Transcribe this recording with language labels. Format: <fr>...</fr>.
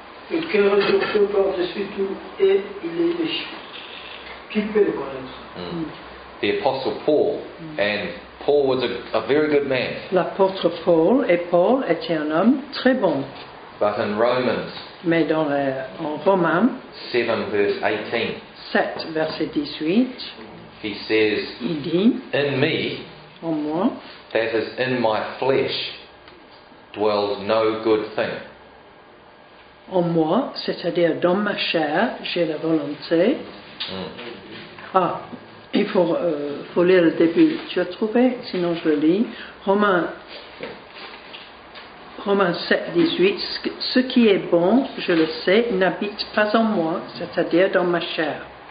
<fr>Le cœur est tourné par-dessus tout et il est méchant. Qui peut le connaître?</fr> <en>The Apostle Paul, and Paul was a very good man.</en> <fr>L'apôtre Paul et Paul étaient un homme très bon.</fr> <en>But in Romans,</en> <fr>mais dans le, en Romains</fr> <en>7 verse 18,</en> <fr>verset 18,</fr> <en>he says,</en> <fr>il dit,</fr> <en>in me,</en> <fr>en moi.</fr> <en>That is, in my flesh dwells no good thing.</en> <fr>En moi, c'est-à-dire dans ma chair, j'ai la volonté. Mm. Ah, il faut, faut lire le début. Tu as trouvé? Sinon, je le lis. Romains 7, 18. Ce qui est bon, je le sais, n'habite pas en moi, c'est-à-dire dans ma chair.</fr>